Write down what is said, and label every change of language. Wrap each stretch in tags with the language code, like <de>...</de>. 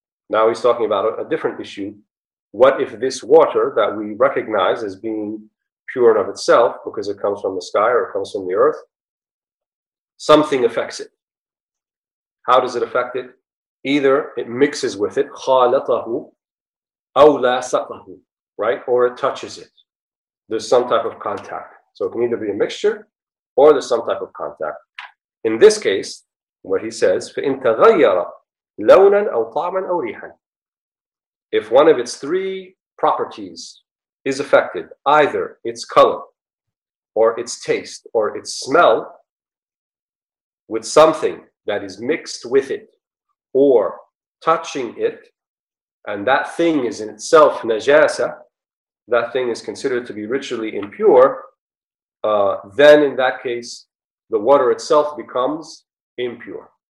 <en>Now he's talking about a different issue. What if this water that we recognize as being pure and of itself, because it comes from the sky or it comes from the earth, something affects it? How does it affect it? Either it mixes with it,</en> <ar>خَالَطَهُ أَوْ لَاسَطَهُ,</ar> <en>right? Or it touches it. There's some type of contact. So it can either be a mixture or there's some type of contact. In this case, what he says,</en> <ar>فَإِنْ تَغَيَّرَ لَوْنًا أَوْ طَعْمًا أَوْ رِيحًا.</ar> <en>If one of its three properties is affected, either its color or its taste or its smell, with something that is mixed with it or touching it, and that thing is in itself najasa, that thing is considered to be ritually impure, then in that case, the water itself becomes impure.</en>